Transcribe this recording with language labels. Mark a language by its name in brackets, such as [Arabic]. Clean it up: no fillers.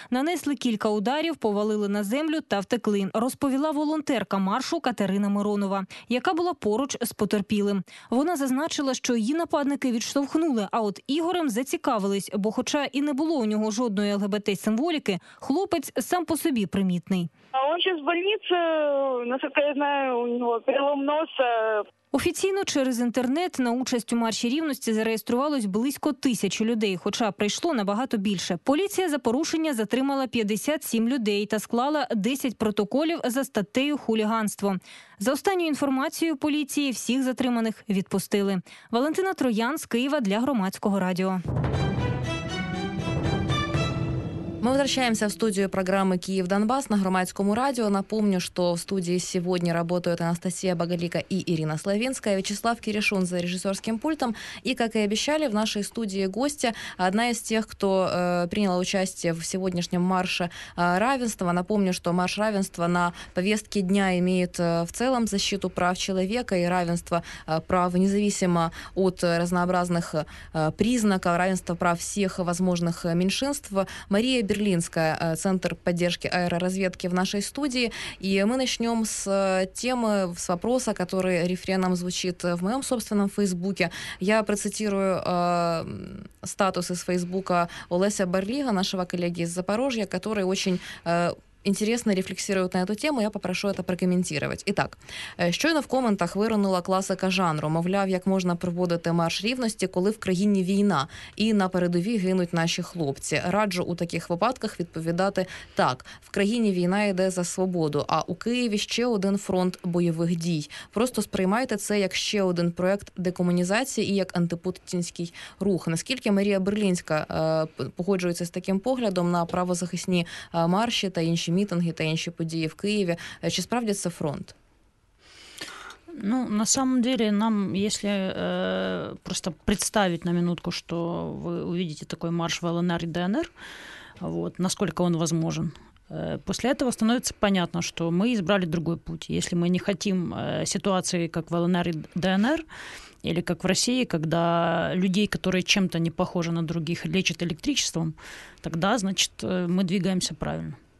[Ukrainian] Нанесли кілька ударів, повалили на землю та втекли, розповіла волонтерка маршу Катерина Миронова, яка була поруч з потерпілим. Вона зазначила, що її нападники відштовхнули, а от Ігорем зацікавились, бо хоча і не було у нього жодної ЛГБТ-символіки, хлопець сам по собі примітний. [Russian] А он сейчас в больнице, насколько я знаю, у него перелом носа. [Ukrainian] Офіційно через інтернет на участь у марші рівності зареєструвалось близько 1000 людей, хоча прийшло набагато більше. Поліція за порушення затримала 57 людей та склала 10 протоколів за статтею «Хуліганство». За останньою інформацією поліції, всіх затриманих відпустили. Валентина Троян з Києва для Громадського радіо. [Russian] Мы возвращаемся в студию программы «Киев-Донбасс» на Громадському радио. Напомню, что в студии сегодня работают Анастасия Багалика и Ирина Славинская, Вячеслав Киришун за режиссерским пультом. И, как и обещали, в нашей студии гостья, одна из тех, кто приняла участие в сегодняшнем марше равенства. Напомню, что марш равенства на повестке дня имеет в целом защиту прав человека и равенство прав, независимо от разнообразных признаков, равенство прав всех возможных меньшинств. Мария Берлинская, Центр поддержки аэроразведки в нашей студии. И мы начнем с темы, с вопроса, который рефреном звучит в моем собственном фейсбуке. Я процитирую статус из фейсбука Олеся Барліга, нашего коллеги из Запорожья, который очень интересно рефлексирует на эту тему. Я попрошу это прокомментировать. [Ukrainian] Итак, щойно в коментах виринула класика жанру, мовляв, як можна проводити марш рівності, коли в країні війна і на передовій гинуть наші хлопці. Раджу у таких випадках відповідати так. В країні війна йде за свободу, а у Києві ще один фронт бойових дій. Просто сприймайте це як ще один проект декомунізації і як антипутінський рух. Наскільки Марія Берлінська погоджується з таким поглядом на правозахисні марші та інші мітинги та інші події в Києві, чи справді це фронт? [Russian] Ну, на самом деле, нам, если просто представить на минутку, что вы увидите такой марш в ЛНР и ДНР, вот, насколько он возможен, после этого становится понятно, что мы избрали другой путь. Если мы не хотим ситуации, как в ЛНР и ДНР, или как в России, когда людей, которые чем-то не похожи на других, лечат электричеством, тогда, значит, мы двигаемся правильно.